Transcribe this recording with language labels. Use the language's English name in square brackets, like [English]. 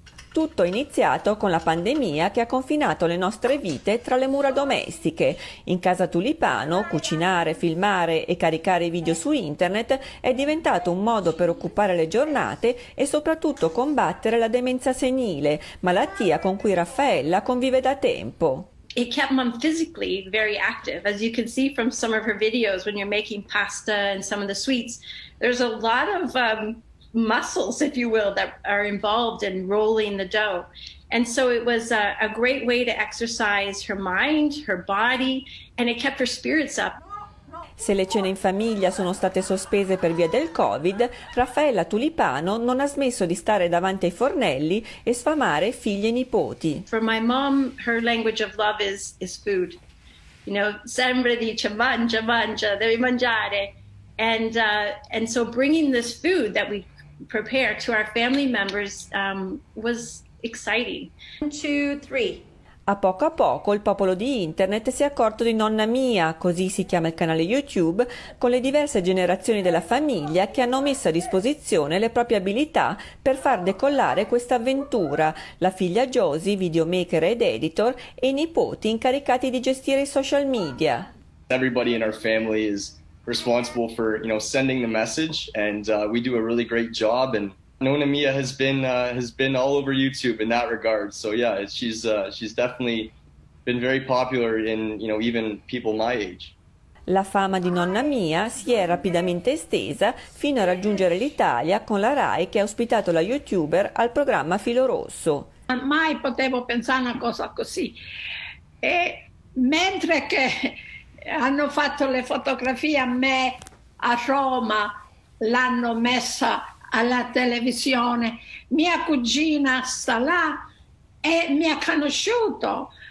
[Italian] Tutto è iniziato con la pandemia che ha confinato le nostre vite tra le mura domestiche. In casa Tulipano, cucinare, filmare e caricare video su internet è diventato un modo per occupare le giornate e soprattutto combattere la demenza senile, malattia con cui Raffaella convive da tempo. [English] It kept mom physically very active. As you can see from some of her videos, when you're making pasta and some of the sweets, there's a lot of muscles, if you will, that are involved in rolling the dough. And so it was a great way to exercise her mind, her body, and it kept her spirits up. [Italian] Se le cene in famiglia sono state sospese per via del Covid, Raffaella Tulipano non ha smesso di stare davanti ai fornelli e sfamare figli e nipoti. [English] For my mom, her language of love is food. You know, [Italian] sempre dice mangia, mangia, devi mangiare. [English] And so bringing this food that we prepare to our family members was exciting. 1, 2, 3. [Italian] A poco il popolo di internet si è accorto di Nonna Mia, così si chiama il canale YouTube, con le diverse generazioni della famiglia che hanno messo a disposizione le proprie abilità per far decollare questa avventura. La figlia Josie, videomaker ed editor, e i nipoti incaricati di gestire i social media. [English] Everybody in our family is responsible for, you know, sending the message, and we do a really great job, and Nonna Mia has been all over YouTube in that regard. So yeah, she's definitely been very popular in, you know, even people my age. [Italian] La fama di Nonna Mia si è rapidamente estesa fino a raggiungere l'Italia con la Rai che ha ospitato la YouTuber al programma Filo Rosso. Mai potevo pensare una cosa così. E mentre che hanno fatto le fotografie a me a Roma, l'hanno messa alla televisione, mia cugina sta là e mi ha conosciuto.